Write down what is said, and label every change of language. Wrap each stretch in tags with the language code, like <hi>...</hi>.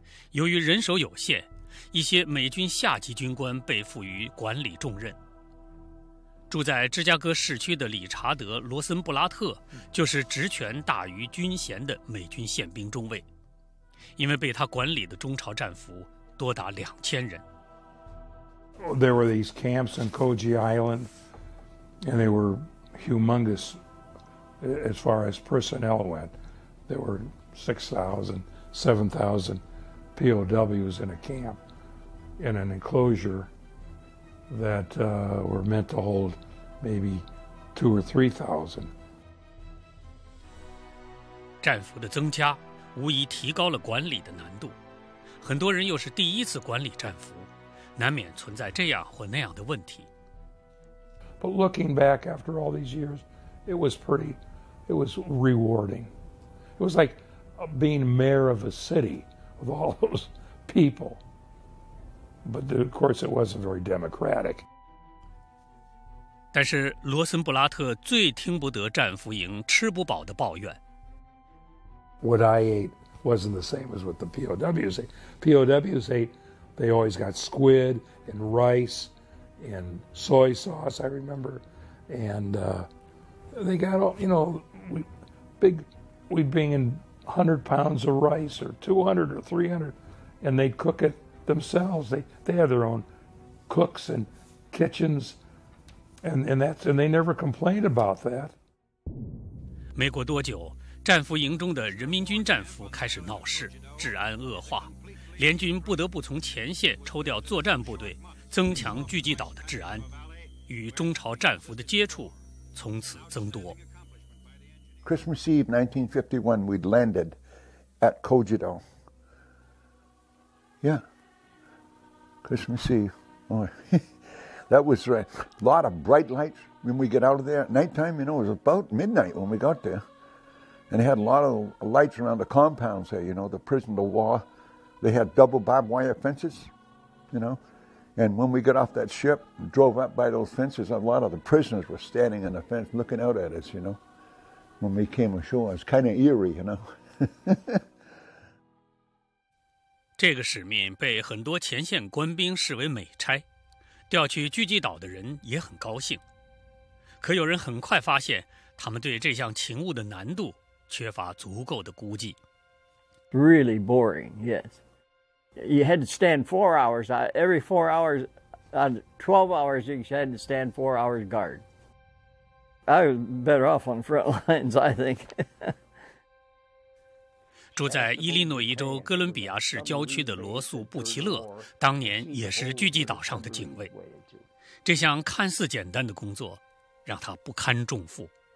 <zh>由于人手有限，一些美军下级军官被赋予管理重任。住在芝加哥市区的理查德·罗森布拉特就是职权大于军衔的美军宪兵中尉，因为被他管理的中朝战俘多达2000人。</zh> <en>There were these camps on Koji Island, and they were humongous as far as personnel went. There were 6,000, 7,000 POWs in a camp, in an enclosure that were meant to hold maybe 2,000 or 3,000.</en> <zh>战俘的增加无疑提高了管理的难度，很多人又是第一次管理战俘，难免存在这样或那样的问题。</zh> <en>But looking back after all these years, it was pretty, it was rewarding. It was like being mayor of a city with all those people. But of course, it wasn't very democratic.</en> <zh>但是罗森布拉特最听不得战俘营吃不饱的抱怨。</zh> <en>What I ate wasn't the same as what the POWs ate. POWs ate, they always got squid and rice. And soy sauce, I remember, and they got all, you know, we'd bring in 100 pounds of rice or 200 or 300, and they'd cook it themselves. They had their own cooks and kitchens, and they never complained about that.</en> <zh>没过多久，战俘营中的人民军战俘开始闹事，治安恶化，联军不得不从前线抽调作战部队。增强聚集岛的治安，与中朝战俘的接触从此增多。</zh> <en>Christmas Eve 1951, we'd landed at Kojido. Yeah, Christmas Eve. Oh, that was a lot of bright lights when we get out of there. Nighttime, you know, it was about midnight when we got there. And they had a lot of lights around the compounds there, you know, the prison, the war. They had double barbed wire fences, you know. And when we got off that ship, drove up by those fences, a lot of the prisoners were standing on the fence looking out at us, you know. When we came ashore, it was kind of eerie, you know.</en> <zh>这个使命被很多前线官兵视为美差，调去聚集岛的人也很高兴。可有人很快发现，他们对这项勤务的难度缺乏足够的估计。</zh> <en>Really boring, yes. You had to stand 4 hours. Every 4 hours, on 12 hours, you had to stand 4 hours guard. I was better off on the front lines, I think.</en> <zh>住在伊利诺伊州哥伦比亚市郊区的罗素·布奇勒，当年也是聚集岛上的警卫。这项看似简单的工作，让他不堪重负。</zh>